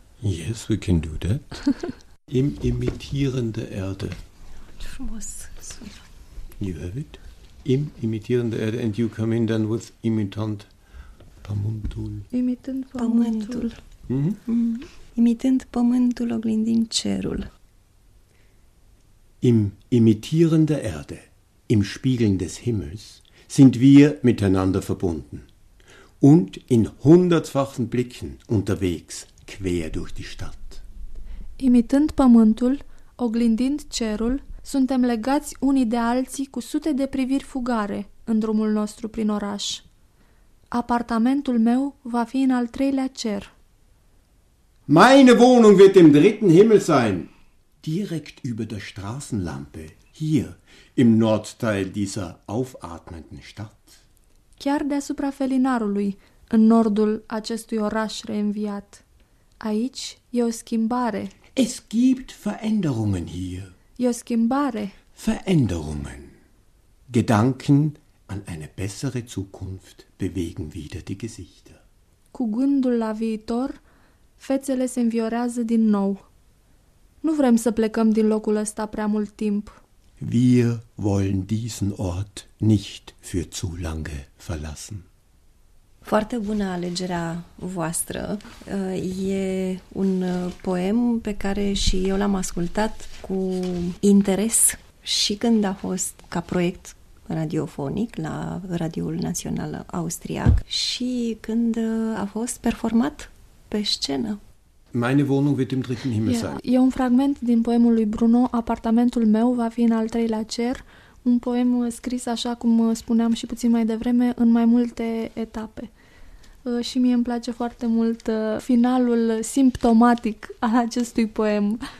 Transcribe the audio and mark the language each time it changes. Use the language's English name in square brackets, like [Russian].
[English] Yes, we can do that. [German] Im imitierende Erde. [Romanian] Ce frumos sună. [English] You have it? [German] Im imitierende Erde, [English] and you come in then with [Romanian] imitant pământul. Imitând pământul. Imitând pământul oglindind cerul. [German] Im imitieren der Erde, im Spiegeln des Himmels, sind wir miteinander verbunden. Und in hundertfachen Blicken unterwegs, quer durch die Stadt. [Romanian] Imitând pământul oglindind cerul, suntem legați unii de alții cu sute de priviri fugare în drumul nostru prin oraș. Apartamentul meu va fi în al treilea cer. [German] Meine Wohnung wird im dritten Himmel sein. Direkt über der Straßenlampe, hier, im Nordteil dieser aufatmenden Stadt. [Romanian] Chiar deasupra felinarului, în nordul acestui oraș reînviat. Aici e o schimbare. [German] Es gibt Veränderungen hier. [Romanian] E o schimbare. [German] Veränderungen. Gedanken an eine bessere Zukunft bewegen wieder die Gesichter. [Romanian] Cu gândul la viitor, fețele se înviorează din nou. Nu vrem să plecăm din locul ăsta prea mult timp. [German] Wir wollen diesen Ort nicht für zu lange verlassen. [Romanian] Foarte bună alegerea voastră. E un poem pe care și eu l-am ascultat cu interes și când a fost ca proiect radiofonic la Radioul Național Austriac și când a fost performat pe scenă. [German] Meine Wohnung wird im dritten Himmel sein. [Romanian] E un fragment din poemul lui Bruno, Apartamentul meu va fi în al treilea cer, un poem scris, așa cum spuneam și puțin mai devreme, în mai multe etape. Și mie îmi place foarte mult finalul simptomatic al acestui poem.